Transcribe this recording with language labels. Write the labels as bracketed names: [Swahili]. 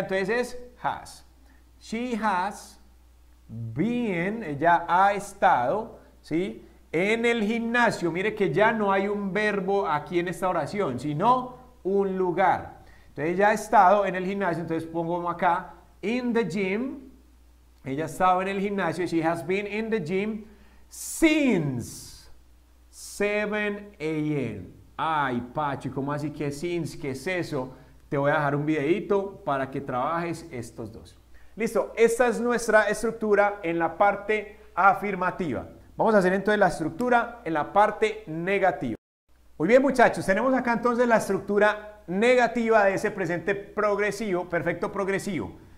[Spanish] Entonces es has. [English] She has been, [Spanish] ella ha estado, ¿sí? En el gimnasio. Mire que ya no hay un verbo aquí en esta oración, sino un lugar. Entonces ella ha estado en el gimnasio, entonces pongo acá, [English] in the gym. [Spanish] Ella ha estado en el gimnasio, [English] she has been in the gym since 7 a.m. [Spanish] Ay, Pacho, ¿cómo así que since? ¿Qué es eso? Te voy a dejar un videito para que trabajes estos dos. Listo, esta es nuestra estructura en la parte afirmativa. Vamos a hacer entonces la estructura en la parte negativa. Muy bien, muchachos, tenemos acá entonces la estructura negativa de ese presente progresivo, perfecto progresivo.